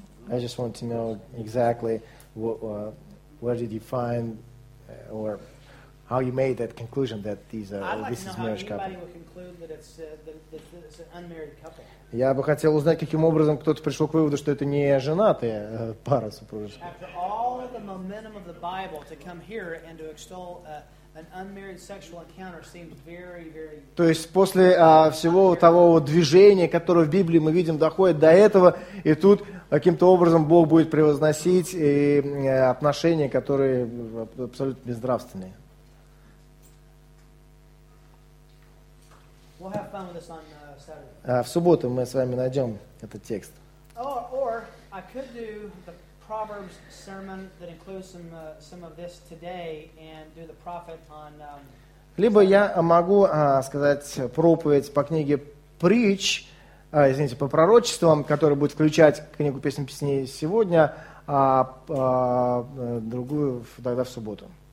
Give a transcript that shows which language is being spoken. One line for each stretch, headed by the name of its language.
English: I just want to know exactly where did you find or how you made that conclusion that these are like this is marriage couple. I'd like to know how anybody would conclude that it's an unmarried couple.
Russian: Я бы хотел узнать, каким образом кто-то пришел к выводу, что это не женатая пара супружеская.
English: After all of the momentum of the Bible to come here and to extol an unmarried sexual encounter seems very, very.
Russian: То есть после всего того движения, которое в Библии мы видим, доходит до этого, и тут каким-то образом Бог будет превозносить и отношения, которые абсолютно бездравственные.
English: We'll have fun with this on Saturday.
Russian: В субботу мы с вами найдем этот текст.
English: Or I could do the Proverbs sermon that includes some of this today and do the prophet on
Russian: Либо я могу сказать проповедь по книге Притч, извините, по пророчествам, который будет включать книгу Песнь Песней сегодня, а другую тогда в субботу.